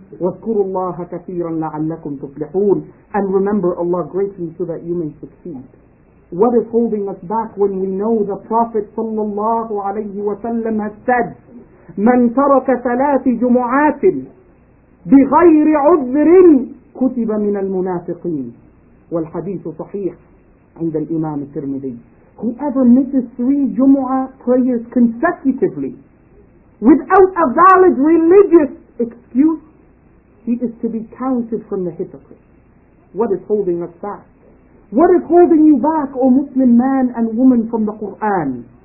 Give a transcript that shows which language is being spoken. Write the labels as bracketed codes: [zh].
[ar] وَاذْكُرُوا اللَّهَ كَثِيرًا لَعَلَّكُمْ تُفْلِحُونَ, [en] and remember Allah greatly so that you may succeed. What is holding us back when we know the Prophet sallallahu alayhi wa sallam has said, [ar] مَنْ تَرَكَ ثَلَاثِ جُمُعَاتٍ بِغَيْرِ عُذْرٍ كُتِبَ مِنَ الْمُنَافِقِينَ. وَالْحَدِيثُ صَحِيحٌ عند الإمام الترمذي. [en] Whoever misses 3 Jumu'ah prayers consecutively without a valid religious excuse, he is to be counted from the hypocrites. What is holding us back? What is holding you back, O Muslim man and woman, from the Qur'an?